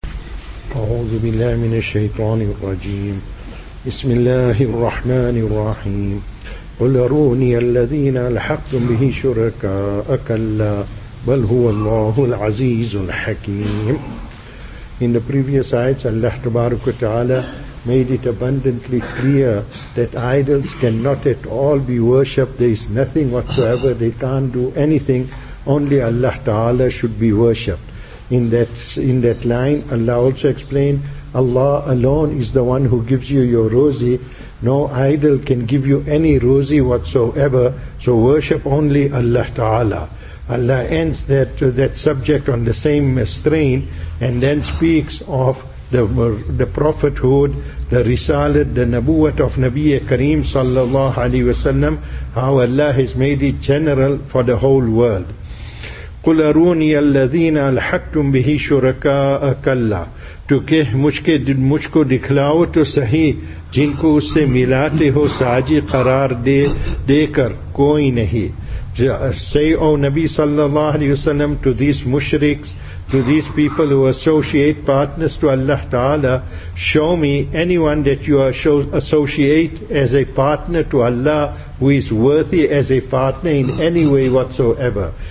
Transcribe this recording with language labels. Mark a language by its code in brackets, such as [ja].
[ar] أعوذ بالله من الشيطان الرجيم. بسم الله الرحمن الرحيم. قل أروني الذين ألحقتم به شركاء، كلا بل هو الله العزيز الحكيم. [en] In the previous ayats, Allah Tabarak wa Ta'ala made it abundantly clear that idols cannot at all be worshipped. There is nothing whatsoever. They can't do anything. Only Allah Ta'ala should be worshipped. In that line, Allah also explained, Allah alone is the one who gives you your rozi. No idol can give you any rozi whatsoever. So worship only Allah Ta'ala. Allah ends that subject on the same strain and then speaks of the prophethood, the risalat, the nabuwat of Nabiya Kareem sallallahu alaihi wasallam, how Allah has made it general for the whole world. [ar] قُلْ أَرُونِيَ الَّذِينَ أَلْحَقْتُمْ بِهِ شُرَكَاءَ كَلَّا [ur] تو کہ مجھ کو دکھلاو تو صحیح جن کو اس سے ملاتے ہو ساجی قرار دے کر کوئی نہیں. [en] Say, O Nabi sallallahu alayhi wa sallam, to these mushriks, to these people who associate partners to Allah Ta'ala, show me anyone that you associate as a partner to Allah who is worthy as a partner in any way whatsoever.